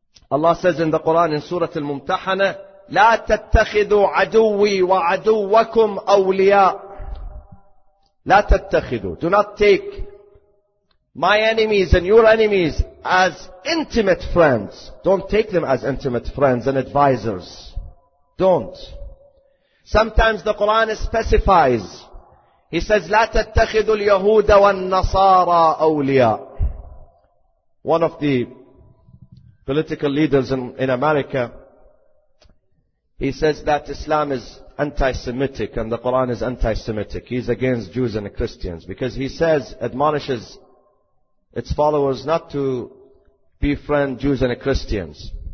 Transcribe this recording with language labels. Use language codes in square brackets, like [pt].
[en] Allah says in the Quran in Surah Al-Mumtahana, [ar] لَا تَتَّخِذُوا عَدُوِّي وَعَدُوَّكُمْ أَوْلِيَاءُ. لَا تَتَّخِذُوا. [en] Do not take my enemies and your enemies as intimate friends. Don't take them as intimate friends and advisors. Don't. Sometimes the Quran specifies. He says, [ar] لا تتخذوا اليهود والنصارى أولياء. [en] One of the political leaders in America, he says that Islam is anti-Semitic and the Quran is anti-Semitic. He's against Jews and Christians because he says, admonishes its followers not to befriend Jews and Christians.